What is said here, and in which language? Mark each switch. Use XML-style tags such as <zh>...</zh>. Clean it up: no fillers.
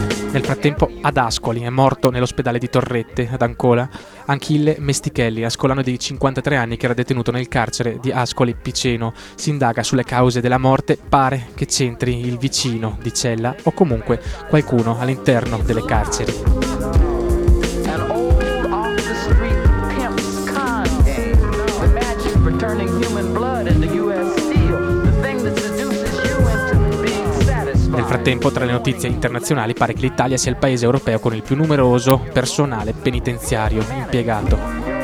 <it>Nel frattempo ad Ascoli è morto nell'ospedale di Torrette, ad Ancona, Achille Mestichelli, ascolano di 53 anni che era detenuto nel carcere di Ascoli Piceno. Si indaga sulle cause della morte, pare che c'entri il vicino di cella o comunque qualcuno all'interno delle carceri.</it> <en>An old off the street pimp con game. The magic for turning human blood into U.S. steel. The thing that seduces you and</en> <it>frattempo, tra le notizie internazionali, pare che l'Italia sia il paese europeo con il più numeroso personale penitenziario impiegato.</it>